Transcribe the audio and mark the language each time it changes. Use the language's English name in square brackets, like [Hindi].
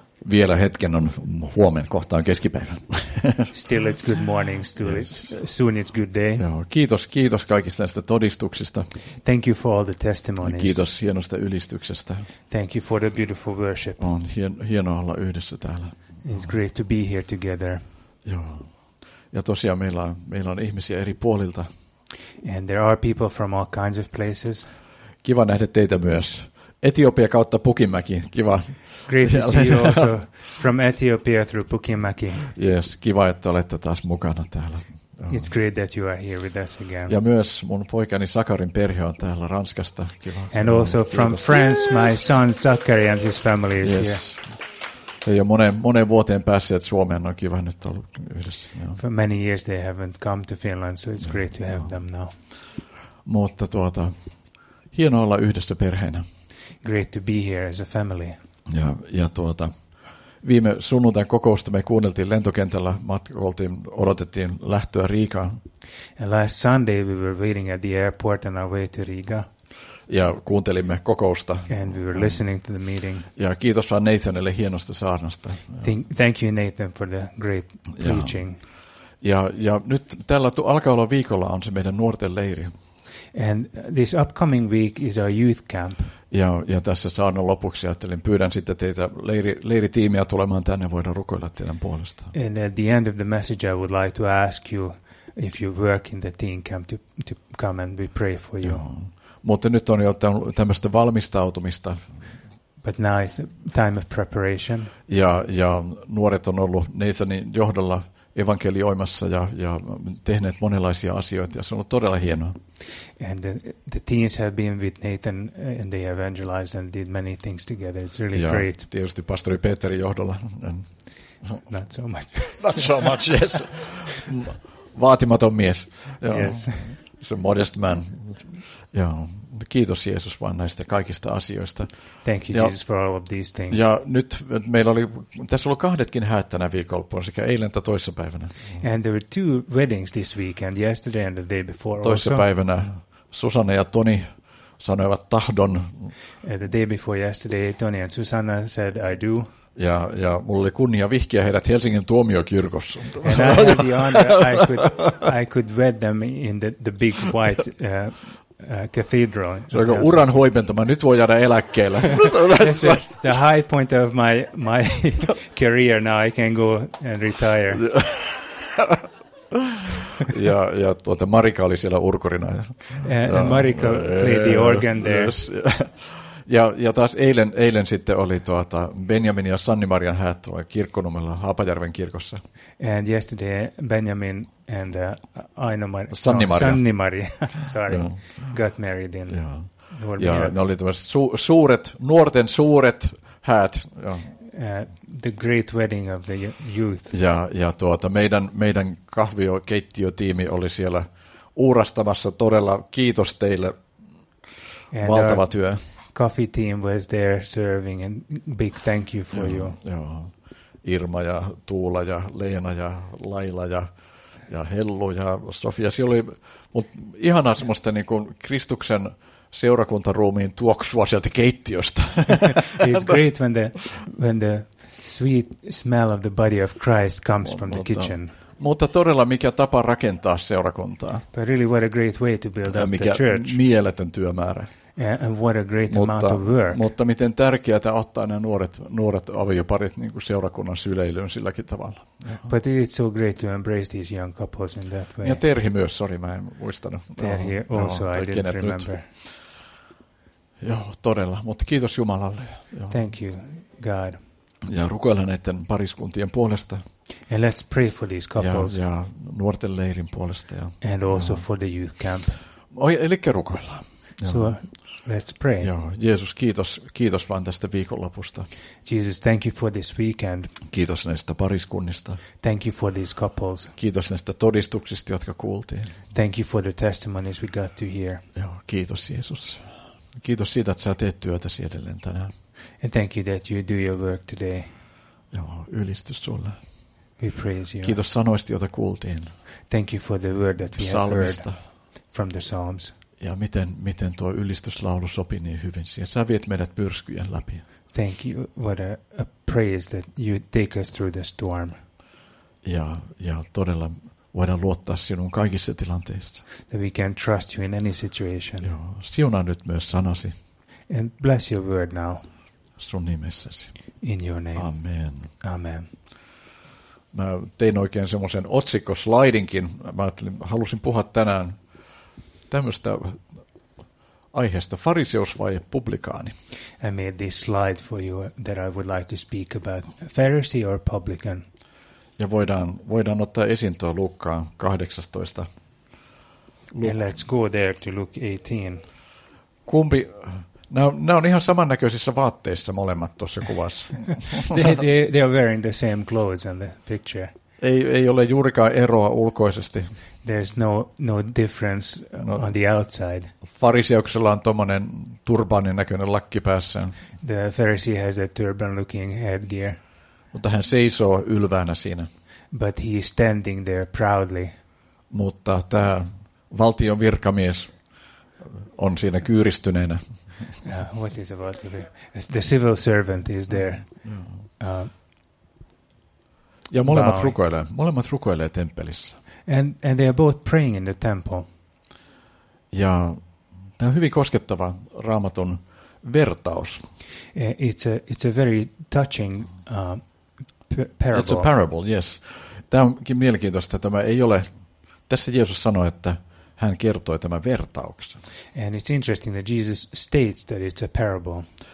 [Finnish] Vielä hetken on huomen, kohta on keskipäivä. [English] Still it's good morning, still it's, soon it's good day. [Finnish] Joo, kiitos kaikista näistä todistuksista. [English] Thank you for all the testimonies. [Finnish] Kiitos hienosta ylistyksestä. [English] Thank you for the beautiful worship. [Finnish] On hienoa olla yhdessä täällä. [English] It's great to be here together. [Finnish] Joo. Ja tosiaan meillä on ihmisiä eri puolilta. [English] And there are people from all kinds of places. [Finnish] Kiva nähdä teitä myös. Etiopia kautta Pukinmäki. Kiva. [English] Great to see you also from Ethiopia through Pukinmäki. [Finnish] Yes, kiva, että olette taas mukana täällä. [English] It's great that you are here with us again. [Finnish] Ja myös mun poikani Sakarin perhe on täällä Ranskasta. Kiva. [English] And also from France, my son Sakari and his family is here. [Finnish] He ovat moneen vuoteen päässeet Suomeen, on kiva nyt ollut yhdessä. [English] For many years they haven't come to Finland, so it's great to have them now. [Finnish] Mutta hienoa olla yhdessä perheenä. [English] Great to be here as a family. [Finnish] Ja viime sunnuntain kokousta me kuunneltiin lentokentällä, matkoltiin, odotettiin lähtöä Riikaan. [English] And last Sunday we were waiting at the airport on our way to Riga. [Finnish] Ja kuuntelimme kokousta. [English] And we were listening to the meeting. [Finnish] Ja kiitos vaan Nathanille hienosta saarnasta. [English] Thank you Nathan for the great preaching. [Finnish] Ja nyt tällä alkaa viikolla on se meidän nuorten leiri. [English] And this upcoming week is our youth camp. [Finnish] Ja tässä saarnan lopuksi ajattelin, pyydän sitten teitä leiritiimiä tulemaan tänne, voidaan rukoilla teidän puolestaan. [English] And at the end of the message I would like to ask you if you work in the teen camp to come and we pray for you. [Finnish] Joo. Mutta nyt on jo tämmöistä valmistautumista. [English] But now it's a time of preparation. [Finnish] Ja nuoret on ollut Nathanin johdolla evankelioimassa ja tehneet monenlaisia asioita, ja se on ollut todella hienoa. [English] And the teens have been with Nathan and they evangelized and did many things together. It's really [Finnish] ja [English] great. [Finnish] Ja tietysti pastori Peterin johdolla. [English] Not so much. Not so much, yes. [Finnish] Vaatimaton mies. [English] Yes. It's a modest man. Joo. [Finnish] Kiitos Jeesus vaan näistä kaikista asioista. [English] Thank you Jesus for all of these things. [Finnish] Ja nyt meillä oli tässä ollut kahdetkin häät tänä viikonloppuun sekä eilen että toissapäivänä. [English] And there were two weddings this weekend, yesterday and the day before. [Finnish] Toissapäivänä Susanna ja Toni sanoivat tahdon. [English] And the day before yesterday, Toni and Susanna said I do. [Finnish] Ja mulla oli kunnia vihkiä heidät Helsingin tuomiokirkossa. [English] And I had the honor, I could wed them in the big white cathedral. [Finnish] Se on uran huipentuma. Nyt voi jäädä eläkkeelle. [English] The high point of my career. Now I can go and retire. [Finnish] Ja Marika oli siellä urkurina. [English] And Marika played the organ there. Yes. [Finnish] Ja taas eilen sitten oli Benjamin ja Sanni-Marian häät kirkkonumella Haapajärven kirkossa. [English] And yesterday Benjamin and Sanni-Maria sorry, got married in Norbert. [Finnish] Ja ne oli tämmöiset nuorten suuret häät. [English] The great wedding of the youth. [Finnish] Ja meidän kahviokeittiötiimi oli siellä uurastamassa, todella kiitos teille, [English] and [Finnish] valtava työ. [English] Coffee team was there serving and big thank you for you. [Finnish] Joo. Irma ja Tuula ja Leena ja Laila ja Hellu ja Sofia. Siellä oli ihanaa semmoista niin kuin Kristuksen seurakuntaruumiin tuoksua sieltä keittiöstä. [English] It's great when the sweet smell of the body of Christ comes from the kitchen. [Finnish] Mutta todella mikä tapa rakentaa seurakuntaa. [English] But really what a great way to build up the church. [Finnish] Mikä mieletön työmäärä. [English] And what a great amount of work. [Finnish] Mutta miten tärkeää ottaa nämä nuoret avioparit niin kuin seurakunnan syleilyyn silläkin tavalla. [English] But it's so great to embrace these young couples in that way. [Finnish] Ja Terhi myös, sorry, mä en muistanut. [English] Terhi also, I didn't remember. [Finnish] Joo, todella, mutta kiitos Jumalalle. [English] Thank you, God. [Finnish] Ja rukoillaan näiden pariskuntien puolesta. [English] And let's pray for these couples. [Finnish] Ja nuorten leirin puolesta. [English] And also for the youth camp. [Finnish] Eli rukoillaan. [English] So let's pray. [Finnish] Joo, Jeesus, kiitos vaan tästä viikonlopusta. [English] Jesus, thank you for this weekend. [Finnish] Kiitos näistä pariskunnista. [English] Thank you for these couples. [Finnish] Kiitos näistä todistuksista, jotka kuultiin. [English] Thank you for the testimonies we got to hear. [Finnish] Joo, kiitos Jeesus. Kiitos siitä, että sä teet työtä edelleen tänään. [English] And thank you that you do your work today. [Finnish] Joo, ylistys sulle. [English] We praise you. [Finnish] Kiitos sanoista, joita kuultiin. [English] Thank you for the word that we have heard from the Psalms. [Finnish] Ja miten tuo ylistyslaulu sopi niin hyvin siihen. Sä viet meidät pyrskyjen läpi. [English] Thank you. What a praise that you take us through the storm. [Finnish] Ja todella voidaan luottaa sinuun kaikissa tilanteissa. [English] That we can trust you in any situation. [Finnish] Joo. Siunaa nyt myös sanasi. [English] And bless your word now. [Finnish] Sun nimessäsi. [English] In your name. Amen. Amen. [Finnish] Mä tein oikein semmoisen otsikkoslaidinkin. Mä ajattelin, halusin puhua tänään tämmöistä aiheesta, fariseus vai publikaani. [English] I made this slide for you that I would like to speak about, Pharisee or publican. [Finnish] Ja voidaan ottaa esiin tuo Luukkaan 18. [English] And let's go there to Luke 18. [Finnish] Kumpi, nämä on ihan samannäköisissä vaatteissa molemmat tuossa kuvassa. [English] they are wearing the same clothes in the picture. [Finnish] Ei ole juurikaan eroa ulkoisesti. [English] There's no difference on the outside. [Finnish] Fariseuksella on tommonen turbaanin näköinen lakki päässään. [English] The Pharisee has a turban-looking headgear. [Finnish] Mutta hän seisoo ylvänä siinä. [English] But he is standing there proudly. [Finnish] Mutta tämä valtion virkamies on siinä kyyristyneenä. [English] What is a valtion virkamies? The civil servant is there. [Finnish] Ja molemmat rukoilee temppelissä. [English] And they are both praying in the temple. [Finnish] Ja tämä on hyvin koskettava Raamatun vertaus. [English] It's a very touching parable. It's a parable, yes. [Finnish] Tämä onkin mielenkiintoista. Tämä ei ole, tässä Jeesus sanoi, että hän kertoi tämän vertauksen. [English] And it's interesting that Jesus states that it's a parable.